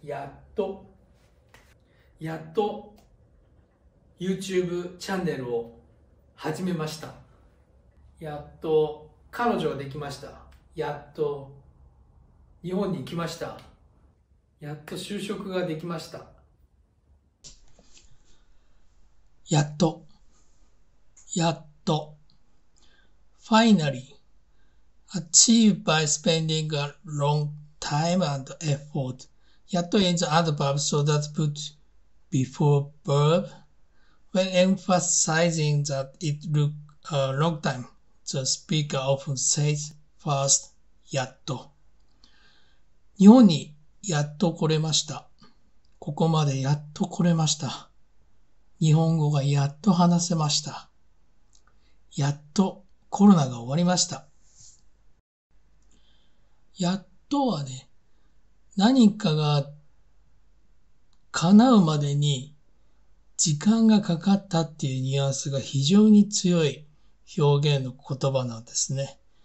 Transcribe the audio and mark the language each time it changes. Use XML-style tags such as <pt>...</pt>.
<ja>やっと、やっと YouTube チャンネルを始めました。やっと彼女ができました。やっと日本に来ました。やっと就職ができました。やっと、やっと、</ja> <en>Finally, achieved by spending a long time and effort. やっと in the adverb, so that put before verb, when emphasizing that it took a long time, the speaker often says first, やっと。</en> <ja>日本にやっと来れました。ここまでやっと来れました。日本語がやっと話せました。やっとコロナが終わりました。やっとはね、何かが叶うまでに時間がかかったっていうニュアンスが非常に強い表現の言葉なんですね。</ja>